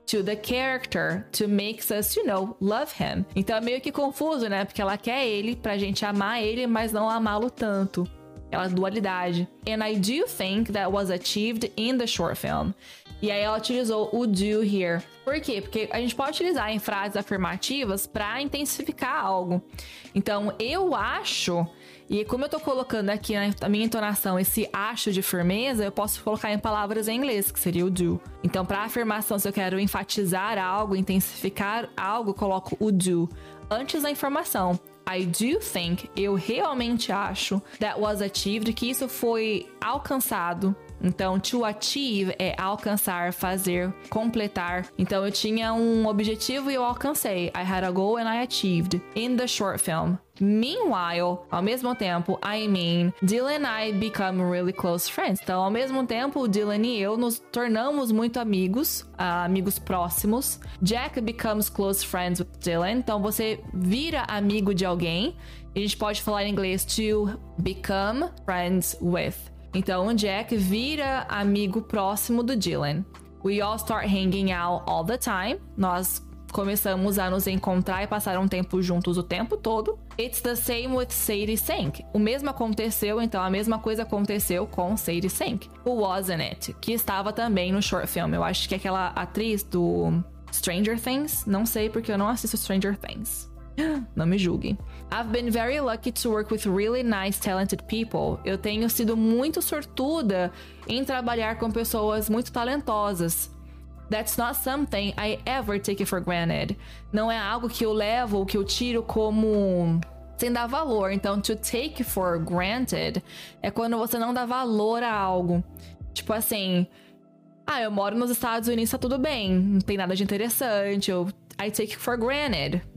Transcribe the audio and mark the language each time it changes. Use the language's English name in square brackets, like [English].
[English] To the character, to make us, you know, love him. [Portuguese] Então, é meio que confuso, né? Porque ela quer ele, pra gente amar ele, mas não amá-lo tanto. Ela é dualidade. [English] And I do think that was achieved in the short film. [Portuguese] E aí, ela utilizou o do here. Por quê? Porque a gente pode utilizar em frases afirmativas pra intensificar algo. Então, eu acho... E como eu tô colocando aqui na minha entonação esse acho de firmeza, eu posso colocar em palavras em inglês, que seria o do. Então, pra afirmação, se eu quero enfatizar algo, intensificar algo, eu coloco o do. Antes da informação, [English] I do think, [Portuguese] eu realmente acho, [English] that was achieved, [Portuguese] que isso foi alcançado. Então, to achieve é alcançar, fazer, completar. Então, eu tinha um objetivo e eu alcancei. [English] I had a goal and I achieved. In the short film. Meanwhile, [Portuguese] ao mesmo tempo, [English] I mean, Dylan and I become really close friends. [Portuguese] Então, ao mesmo tempo, Dylan e eu nos tornamos muito amigos, amigos próximos. [English] Jack becomes close friends with Dylan. [Portuguese] Então, você vira amigo de alguém. A gente pode falar em inglês [English] to become friends with. [Portuguese] Então, o Jack vira amigo próximo do Dylan. [English] We all start hanging out all the time. [Portuguese] Nós começamos a nos encontrar e passar um tempo juntos o tempo todo. [English] It's the same with Sadie Sink. [Portuguese] O mesmo aconteceu, então, a mesma coisa aconteceu com Sadie Sink. [English] Who wasn't it? [Portuguese] Que estava também no short film. Eu acho que é aquela atriz do Stranger Things. Não sei, porque eu não assisto Stranger Things. Não me julguem. [English] I've been very lucky to work with really nice, talented people. [Portuguese] Eu tenho sido muito sortuda em trabalhar com pessoas muito talentosas. [English] That's not something I ever take for granted. [Portuguese] Não é algo que eu levo, que eu tiro como sem dar valor. Então, to take for granted é quando você não dá valor a algo. Tipo assim, ah, eu moro nos Estados Unidos, tá tudo bem. Não tem nada de interessante. [English] I take for granted.